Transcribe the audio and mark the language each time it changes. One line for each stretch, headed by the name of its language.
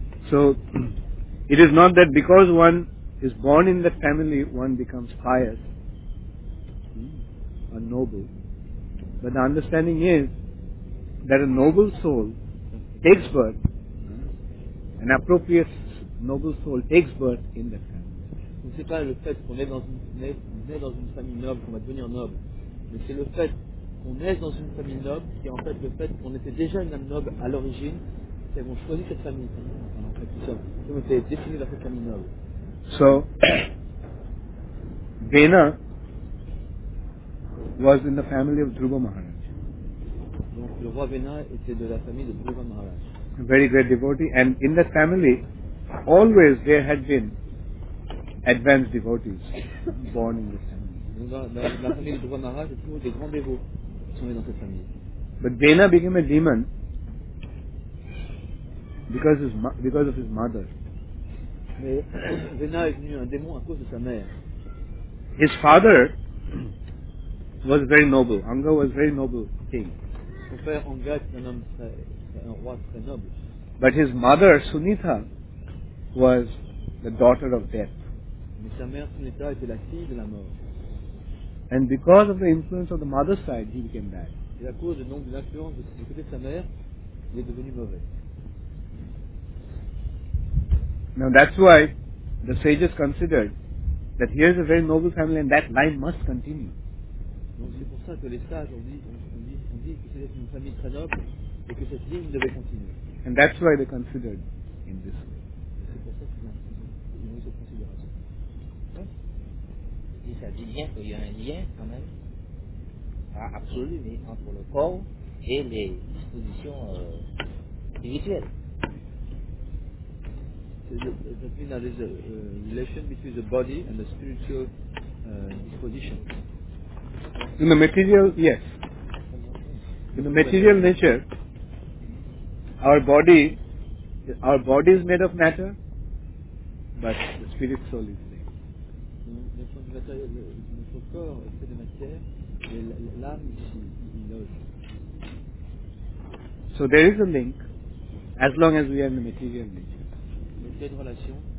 English: So it is not that because one is born in that family one becomes pious or noble. But the understanding is that a noble soul takes birth, an appropriate noble soul takes birth in that family.
French: C'est pas le fait qu'on naît dans une famille noble qu'on va devenir noble, mais c'est le fait qu'on naît dans une famille noble qui est en fait le fait qu'on était déjà une âme noble à l'origine, c'est qu'on choisit cette famille. En fait, tout ça, on était destiné vers cette famille noble.
English: So, Vena was in the family of Dhruva Maharaj.
French: Donc le roi Vena était de la famille de Dhruva Maharaj.
English: A very great devotee, and in that family always there had been advanced devotees born in this family.
French: Donc la famille de Dhruva Maharaj était toujours des grands dévots qui sont nés dans cette famille.
English: But Vena became a demon because of his mother.
French: Mais Vena est devenu un démon à cause de sa mère.
English: His father was very noble. Anga was very noble king.
French: Son père Anga était un homme un roi très noble.
English: But his mother Sunita was the daughter of death.
French: Mais sa mère Sunita était la fille de la mort.
English: And because of the influence of the mother's side, he became bad.
French: Et à cause donc de l'influence du côté de sa mère, il est devenu mauvais.
English: Now that's why the sages considered that here is a very noble family and that line must continue.
French: Donc c'est pour ça que les sages ont dit que c'était une famille très noble et que cette ligne devait continuer.
English: And that's why they considered in this way.
French: C'est pour ça qu'ils ont mis cette considération. Oui. Et ça dit bien qu'il y a un lien quand même, pas absolu, mais entre le corps et les dispositions spirituelles.
English: That means there is a relation between the body and the spiritual disposition. In the material, yes. In the material nature, our body is made of matter, but the spirit soul is there.
French: Notre corps est fait de matière, et l'âme ici, il loge.
English: So there is a link, as long as we are in the material nature.